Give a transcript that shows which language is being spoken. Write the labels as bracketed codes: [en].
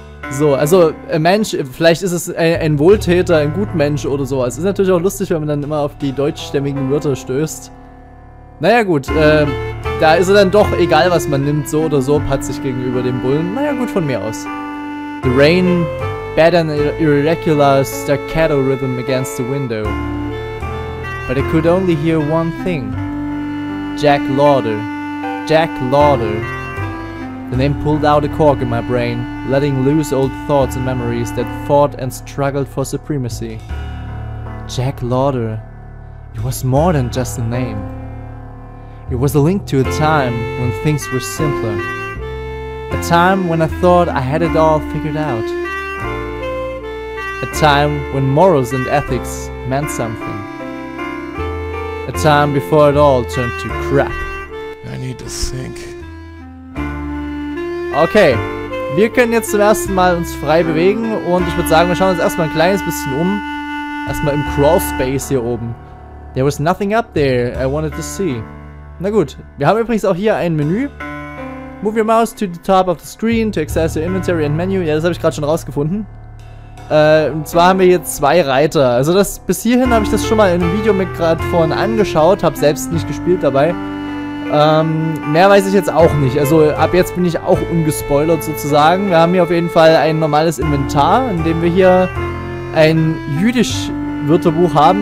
[de] So, also ein Mensch, vielleicht ist es ein Wohltäter, ein Gutmensch oder sowas. Ist natürlich auch lustig, wenn man dann immer auf die deutschstämmigen Wörter stößt. Naja gut, da ist er dann doch, egal was man nimmt, so oder so patzig gegenüber dem Bullen. Naja gut, von mir aus. [en] The rain, bad and irregular staccato rhythm against the window. But I could only hear one thing. Jack Lauder. Jack Lauder. The name pulled out a cork in my brain, letting loose old thoughts and memories that fought and struggled for supremacy. Jack Lauder. It was more than just a name. It was a link to a time when things were simpler. A time when I thought I had it all figured out. A time when morals and ethics meant something. A time before it all turned to crap. I need to think. [de] Okay, wir können jetzt zum ersten Mal uns frei bewegen und ich würde sagen, wir schauen uns erstmal ein kleines bisschen um. Erstmal im Crawlspace hier oben. [en] There was nothing up there I wanted to see. [de] Na gut, wir haben übrigens auch hier ein Menü. [en] Move your mouse to the top of the screen to access your inventory and menu. [de] Ja, das habe ich gerade schon rausgefunden. Und zwar haben wir hier zwei Reiter. Also das bis hierhin habe ich das schon mal in einem Video mit gerade vorhin angeschaut, habe selbst nicht gespielt dabei. Mehr weiß ich jetzt auch nicht. Also ab jetzt bin ich auch ungespoilert sozusagen. Wir haben hier auf jeden Fall ein normales Inventar, in dem wir hier ein Jüdisch-Wörterbuch haben.